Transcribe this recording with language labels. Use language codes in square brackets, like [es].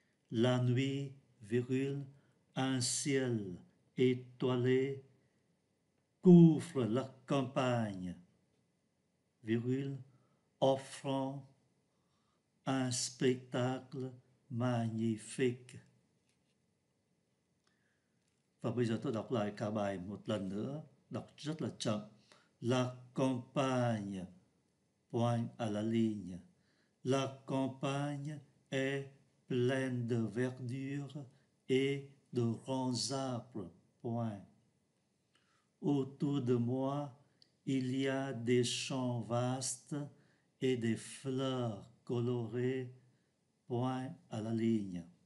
[fr] La nuit, virgule, un ciel étoilé couvre la campagne, virgule, offrant un spectacle magnifique. [vi] Và bây giờ tôi đọc lại cả bài một lần nữa, đọc rất là chậm. [fr] La campagne, point à la ligne. La campagne est pleine de verdure et de grands arbres, point. Autour de moi, il y a des champs vastes et des fleurs colorées, point à la ligne.